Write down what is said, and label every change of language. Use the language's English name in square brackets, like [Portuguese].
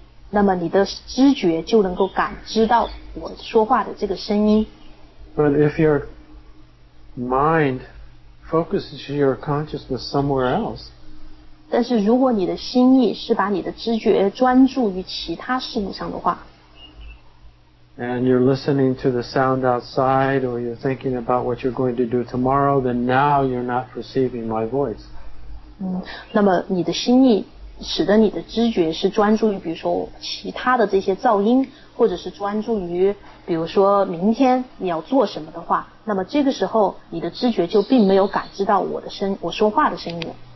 [Chinese] 那么你的知觉就能够感知到我说话的这个声音。 [English] But if your mind focuses your consciousness somewhere else, [Chinese] 但是如果你的心意是把你的知觉专注于其他事物上的话， [English] and you're listening to the sound outside, or you're thinking about what you're going to do tomorrow, then now you're not perceiving my voice. [Chinese] 那么你的心意使得你的知觉是专注于比如说其他的这些噪音，或者是专注于比如说明天你要做什么的话，那么这个时候你的知觉就并没有感知到我说话的声音。